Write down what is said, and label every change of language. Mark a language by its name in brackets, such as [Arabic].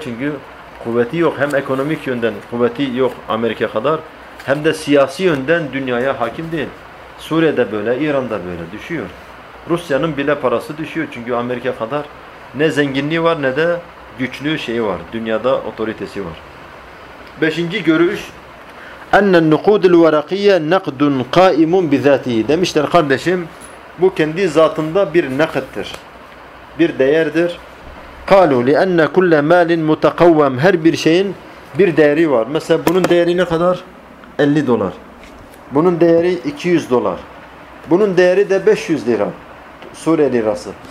[Turkish] Çünkü kuvveti yok. Hem ekonomik yönden kuvveti yok Amerika kadar, hem de siyasi yönden dünyaya hakim değil. Suriye'de böyle, İran'da böyle düşüyor. Rusya'nın bile parası düşüyor. Çünkü Amerika kadar ne zenginliği var ne de güçlü şeyi var. Dünyada otoritesi var. Beşinci görüş, [Arabic] اَنَّ النُّقُودِ الْوَرَقِيَّ نَقْدٌ قَائِمٌ بِذَاتِهِ. [Turkish] Demişler kardeşim, bu kendi zatında bir nakittir, bir değerdir. [Arabic] قَالُوا لِأَنَّ كُلَّ مَالٍ مُتَقَوَّمٍ. [Turkish] Her bir şeyin bir değeri var. Mesela bunun değeri ne kadar? 50 dolar. Bunun değeri 200 dolar. Bunun değeri de 500 lira. Suriye lirası.